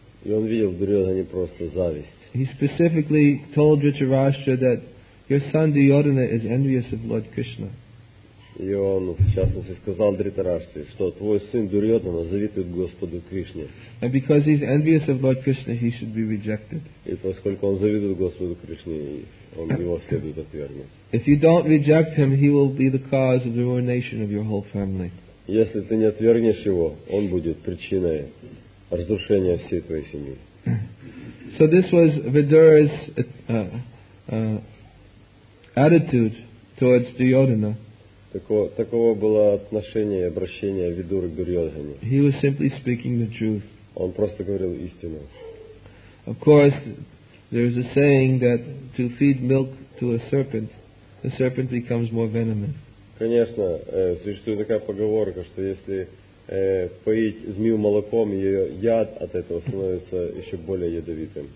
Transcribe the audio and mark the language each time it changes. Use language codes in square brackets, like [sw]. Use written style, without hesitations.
[ru] И он видел в Дурьодхане просто зависть. [en] He specifically told Dhritarashtra that your son Duryodhana is envious of Lord Krishna. [ru] И он, в частности, сказал Дхритарашти, что твой сын Дурьодхана завидует Господу Кришне. [en] And because he's envious of Lord Krishna, he should be rejected. [ru] И поскольку он завидует Господу Кришне, он его следует отвергнуть. [en] If you don't reject him, he will be the cause of the ruination of your whole family. [ru] Если ты не отвергнешь его, он будет причиной разрушения всей твоей семьи. [en] So this was Vidura's attitude towards Duryodhana. [ru] Таково было отношение и обращение Видуры к Дурьодхане. [en] He was simply speaking the truth. [ru] Он просто говорил истину. [en] Of course, there is a saying that to feed milk to a serpent, the serpent becomes more venomous. [ru] Конечно, существует такая поговорка, что если поить змею молоком, ее яд от этого становится еще более ядовитым.